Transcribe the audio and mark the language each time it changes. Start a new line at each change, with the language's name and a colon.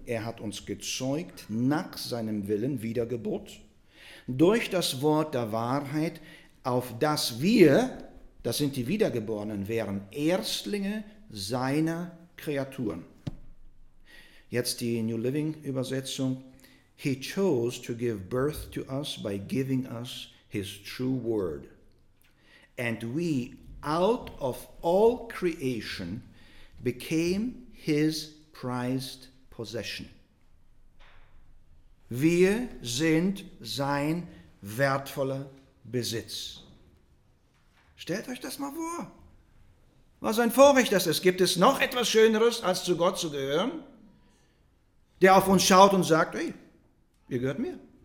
German: Er hat uns gezeugt nach seinem Willen, Wiedergeburt, durch das Wort der Wahrheit, auf das wir, das sind die Wiedergeborenen, wären Erstlinge seiner Kreaturen. Jetzt die New Living Übersetzung.
English: He chose to give birth to us by giving us his true word. And we, out of all creation, became his prized possession.
German: Wir sind sein wertvoller Besitz. Stellt euch das mal vor. Was ein Vorrecht das ist. Gibt es noch etwas Schöneres, als zu Gott zu gehören? Der auf uns schaut und sagt, hey, ihr gehört mir.